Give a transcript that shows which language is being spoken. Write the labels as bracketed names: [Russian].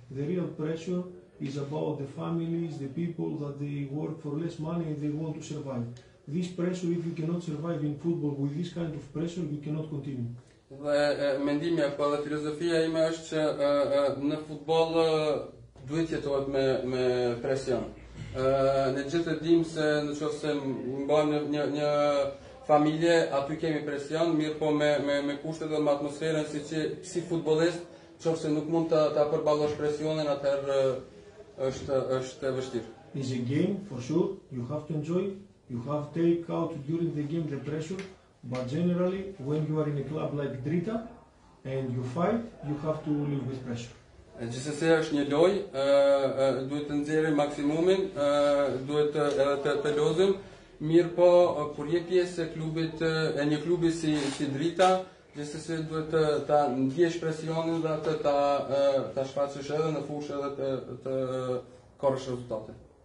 [English] The real pressure is about the families, the people that they work for less money and they want to survive. This pressure, if you cannot survive in football with this kind of pressure, you cannot continue. [Albanian] Dhe mendimi apo filozofia ime është që në futboll duhet jetohet me, me presion. Ne gjithë dim se në qofë se mba një, një, një familje, aty kemi presion, mirë po me, me, me kushtet dhe me atmosferën, si që si futbolist, qofë se nuk mund të, të përbalosh presionin, atëherë është, është vështirë. [English] In the game, for sure, you have to enjoy, you have to take out during the game the pressure, but generally, when you are in a club like Drita, and you fight, you have to live with pressure. [Albanian] Gjithsesi është një loj, duhet të nxjerrim maksimumin, duhet edhe të, të lozim, mirë po, kur je pjesë e klubit, e një klubi si, si Drita, gjithsesi duhet të, të ndjesh presionin dhe të, të, të shfaqësh edhe në fushë edhe të, të korrësh rezultate.